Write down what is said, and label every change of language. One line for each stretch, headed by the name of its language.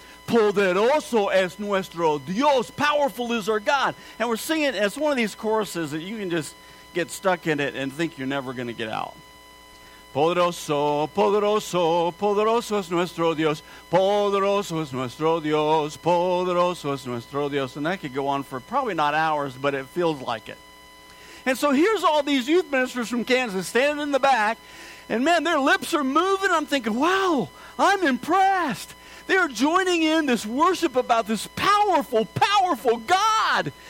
Spanish: Poderoso es nuestro Dios.
English: Powerful is our God. And we're singing, it's one of these choruses that you can just get stuck in it and think you're never going to get out.
Spanish: Poderoso, poderoso, poderoso es nuestro Dios. Poderoso es nuestro Dios. Poderoso es nuestro Dios.
English: And that could go on for probably not hours, but it feels like it. And so here's all these youth ministers from Kansas standing in the back. And man, their lips are moving. I'm thinking, wow, I'm impressed. They're joining in this worship about this powerful, powerful God.